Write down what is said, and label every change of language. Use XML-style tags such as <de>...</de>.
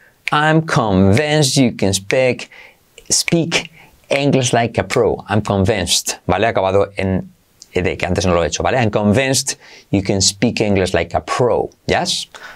<en>I'm convinced you can speak English like a pro. I'm convinced, ¿vale?</en> <es>Acabado en ed, que antes no lo he hecho, ¿vale?</es> <en>I'm convinced you can speak English like a pro, ¿yes?</en>